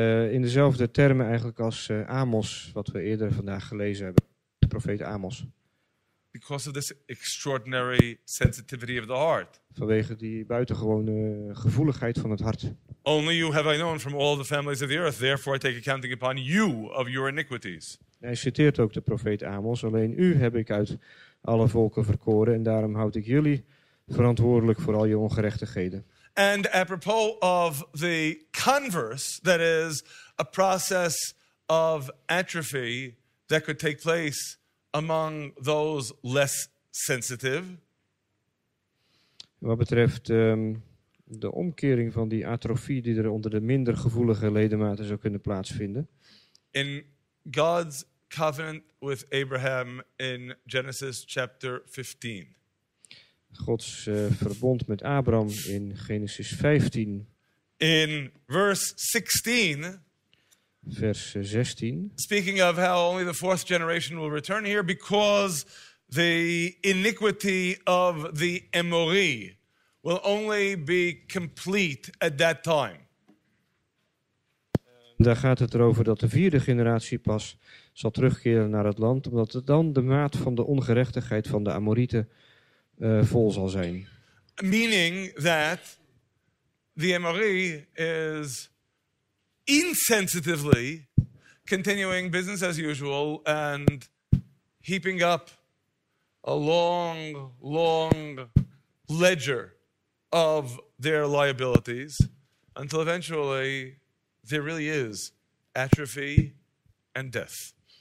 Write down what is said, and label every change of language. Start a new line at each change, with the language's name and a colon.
Dutch: In dezelfde termen eigenlijk als Amos, wat we eerder vandaag gelezen hebben, de profeet Amos.
English: Because of this extraordinary sensitivity of the heart.
Dutch: Vanwege die buitengewone gevoeligheid van het hart.
English: Only you have I known from all the families of the earth, therefore I take accounting upon you of your iniquities.
Dutch: Hij citeert ook de profeet Amos, alleen u heb ik uit alle volken verkoren en daarom houd ik jullie verantwoordelijk voor al je ongerechtigheden.
English: And apropos of the converse, that is a process of atrophy that could take place among those less sensitive.
Dutch: Wat betreft de omkering van die atrofie die er onder de minder gevoelige ledematen zou kunnen plaatsvinden.
English: In God's covenant with Abraham in Genesis chapter 15.
Dutch: Gods verbond met Abraham in Genesis 15.
English: In verse 16.
Dutch: Vers 16.
English: Speaking of how only the fourth generation will return here because the iniquity of the Emori will only be complete at that time.
Dutch: Daar gaat het erover dat de vierde generatie pas zal terugkeren naar het land, omdat het dan de maat van de ongerechtigheid van de Amorieten vol zal zijn.
English: Meaning that the Emori is insensitively continuing business as usual and heaping up a long, long ledger of their liabilities until eventually there really is atrophy and death.